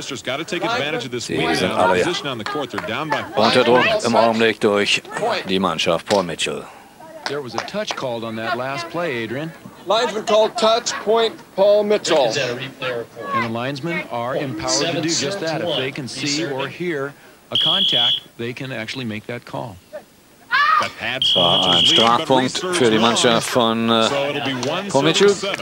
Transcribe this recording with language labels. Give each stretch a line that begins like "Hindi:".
German: Sie sind alle unter Druck im Augenblick durch die Mannschaft Paul Mitchell.
English: There was a touch called on that last play, Adrian. Linesman called touch, point Paul Mitchell. And the linesmen are empowered to do just that. If they can see or hear a contact, they can actually make that call.
German: Das war ein Strafpunkt für die Mannschaft von Paul Mitchell.